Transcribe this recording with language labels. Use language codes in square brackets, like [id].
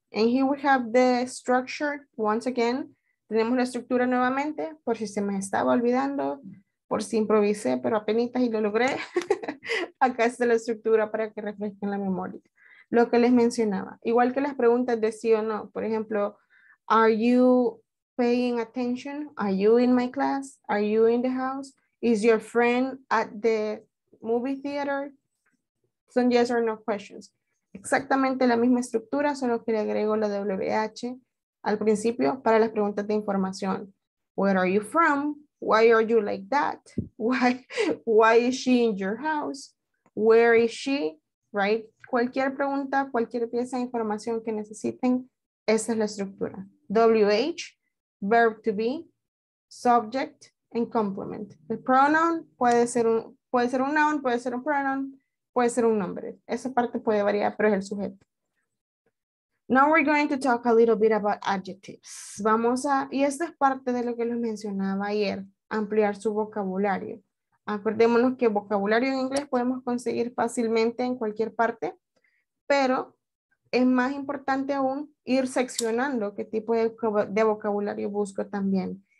[en] And here we have the structure once again. [es] Tenemos la estructura nuevamente, por si se me estaba olvidando, por si improvisé, pero apenitas y lo logré. Acá está la estructura para que refresquen la memoria. Lo que les mencionaba. Igual que las preguntas de sí o no. Por ejemplo, [en] are you paying attention? Are you in my class? Are you in the house? Is your friend at the movie theater? [es] Son [en] yes or no questions. [es] Exactamente la misma estructura, solo que le agrego la WH al principio para las preguntas de información. [en] Where are you from? Why are you like that? Why is she in your house? Where is she? Right? [es] Cualquier pregunta, cualquier pieza de información que necesiten, esa es la estructura. [en] WH, verb to be, subject, and complement. [es] El pronoun puede ser un noun, puede ser un pronoun, puede ser un nombre. Esa parte puede variar, pero es el sujeto. [en] Now we're going to talk a little bit about adjectives. [es] Vamos a, y esto es parte de lo que les mencionaba ayer, ampliar su vocabulario. Acordémonos que vocabulario en inglés podemos conseguir fácilmente en cualquier parte, pero es más importante aún ir seccionando qué tipo de vocabulario busco también.